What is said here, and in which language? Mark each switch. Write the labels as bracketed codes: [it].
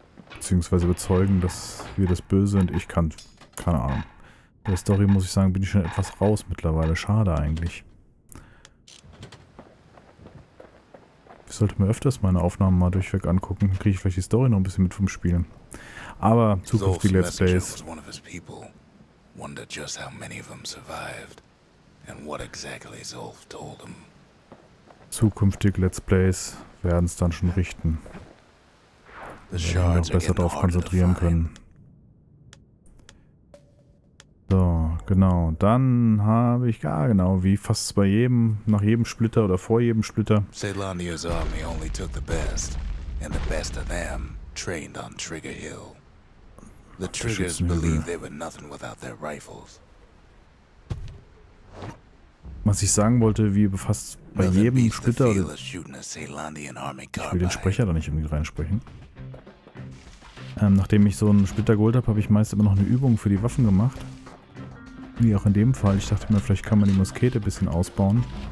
[de] Beziehungsweise überzeugen, dass wir das Böse sind. Ich kann. Keine Ahnung. Bei der Story muss ich sagen, bin ich schon etwas raus mittlerweile. Schade eigentlich. Ich sollte mir öfters meine Aufnahmen mal durchweg angucken. Dann kriege ich vielleicht die Story noch ein bisschen mit vom Spielen. Aber zukünftige Let's Plays. [en] One of his people wondered just how many of them survived and what exactly Zulf told them. [de] Zukünftige Let's Plays werden es dann schon richten. Wir werden uns besser darauf konzentrieren können. So, genau. Dann habe ich, genau, wie fast bei jedem, nach jedem Splitter oder vor jedem Splitter. [en] Ceylonia's army only took the best and the best of them trained on Trigger Hill. The Triggers believed they were nothing without their rifles. [de] Was ich sagen wollte, wie fast bei jedem Splitter. Ich will den Sprecher da nicht irgendwie reinsprechen. Nachdem ich so einen Splitter geholt habe, habe ich meist immer noch eine Übung für die Waffen gemacht. Wie auch in dem Fall. Ich dachte mir, vielleicht kann man die Muskete ein bisschen ausbauen.